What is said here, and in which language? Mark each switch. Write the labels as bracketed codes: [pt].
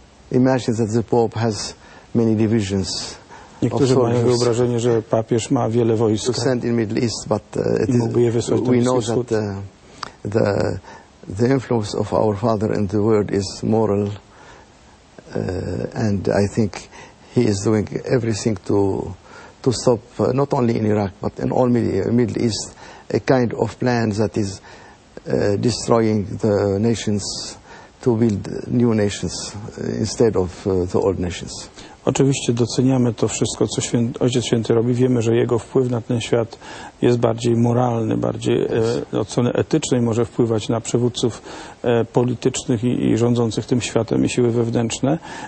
[en] Imagine that the Pope has many divisions. [pl] Niektórzy mają wyobrażenie, że papież ma wiele wojsk. [en] To send in Middle East, but it is, we know that the influence of our father in the world is moral, and I think he is doing everything to stop not only in Iraq but in all Middle East a kind of plan that is destroying the nations. To build new nations instead of the old nations. [pl] Oczywiście doceniamy to wszystko, co Ojciec Święty robi. Wiemy, że jego wpływ na ten świat jest bardziej moralny, bardziej od strony etycznej może wpływać na przywódców politycznych i rządzących tym światem i siły wewnętrzne.